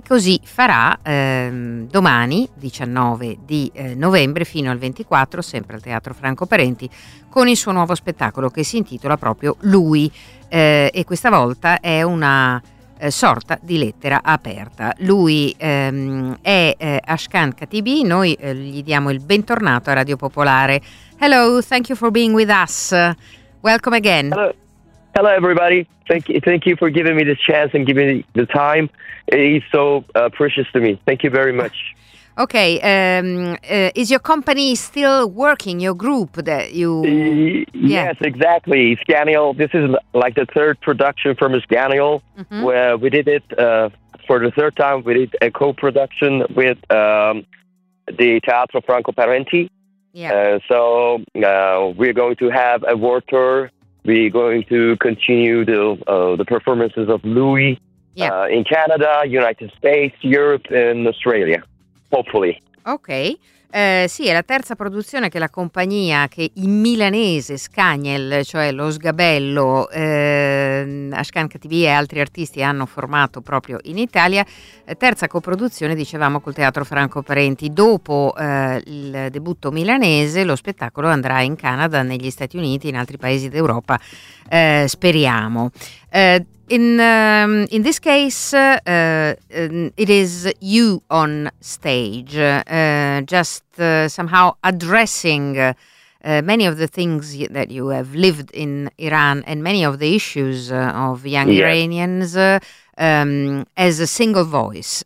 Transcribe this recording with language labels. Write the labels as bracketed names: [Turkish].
[Italian] Così farà domani, 19 di novembre, fino al 24, sempre al Teatro Franco Parenti, con il suo nuovo spettacolo che si intitola proprio Lui, e questa volta è una sorta di lettera aperta. Lui è Ashkan Katibi. Noi gli diamo il bentornato a Radio Popolare. [English] Hello, thank you for being with us. Welcome again. Hello everybody. Thank you for giving me this chance and giving me the time. It's so precious to me. Thank you very much. Okay, is your company still working, your group that you... Yes, exactly. Scaniel, this is like the third production from Scaniel. Mm-hmm. Where we did it for the third time. We did a co-production with the Teatro Franco Parenti. Yeah. So we're going to have a world tour. We're going to continue the performances of Louis in Canada, United States, Europe and Australia. Hopefully. [Italian] Ok, sì, è la terza produzione che la compagnia, che in milanese Scaniel, cioè lo sgabello, Ashkan Katibi e altri artisti hanno formato proprio in Italia, terza coproduzione, dicevamo, col Teatro Franco Parenti. Dopo il debutto milanese lo spettacolo andrà in Canada, negli Stati Uniti, in altri paesi d'Europa, speriamo. [English] In this case, it is you on stage, just somehow addressing many of the things that you have lived in Iran and many of the issues of young Iranians as a single voice.